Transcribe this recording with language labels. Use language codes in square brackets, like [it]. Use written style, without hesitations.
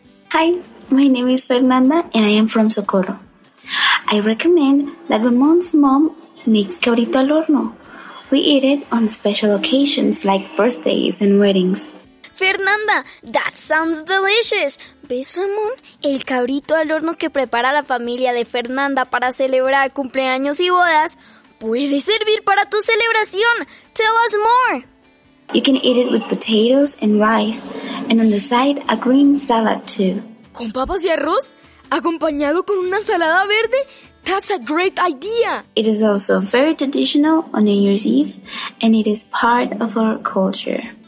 [en] Hi, my name is Fernanda and I am from Socorro. I recommend that Ramon's mom makes cabrito al horno. We eat it on special occasions like birthdays and weddings. Fernanda, that sounds delicious. [es] ¿Ves, Ramon? El cabrito al horno que prepara la familia de Fernanda para celebrar cumpleaños y bodas puede servir para tu celebración. [en] Tell us more. You can eat it with potatoes and rice. And on the side, a green salad too. [es] ¿Con papas y arroz? ¿Acompañado con una ensalada verde? [en] That's a great idea! It is also very traditional on New Year's Eve, and it is part of our culture.